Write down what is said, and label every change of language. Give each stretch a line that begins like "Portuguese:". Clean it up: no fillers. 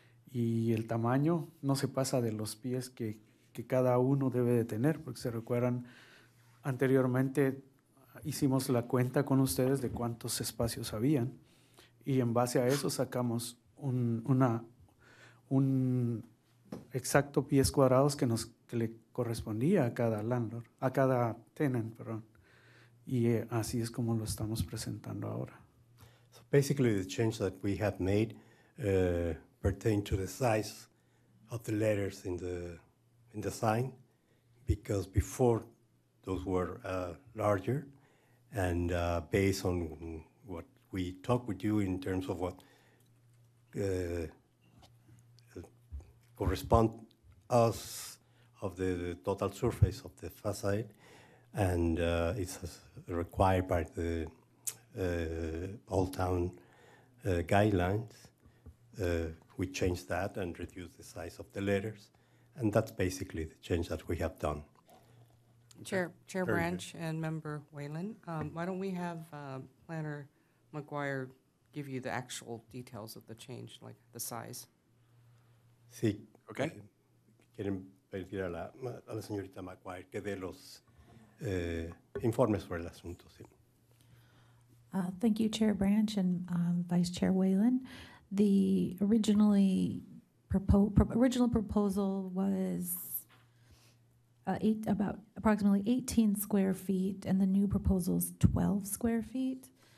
Spanish: Y el tamaño no se pasa de los pies que cada uno debe de tener, porque se recuerdan anteriormente hicimos la cuenta con ustedes de cuántos espacios habían y en base a eso sacamos un exacto pies cuadrados que le correspondía a cada landlord, a cada tenant, perdón. Y así es como lo estamos presentando ahora.
English: So basically the change that we have made pertain to the size of the letters in the sign, because before those were larger. And based on what we talked with you in terms of what correspond as of the total surface of the facade, and it's as required by the old town guidelines. We changed that and reduced the size of the letters, and that's basically the change that we have done. Chair Branch and Member Whalen, why don't we have Planner McGuire give you the actual details of the change, like the size?
Spanish: Sí.
English: Okay.
Spanish: Quieren pedir a la señorita McGuire que dé los informes sobre el asunto. Sí.
English: Thank you, Chair Branch and Vice Chair Whalen. The original proposal was approximately 18 square feet, and the new proposal is 12 square feet.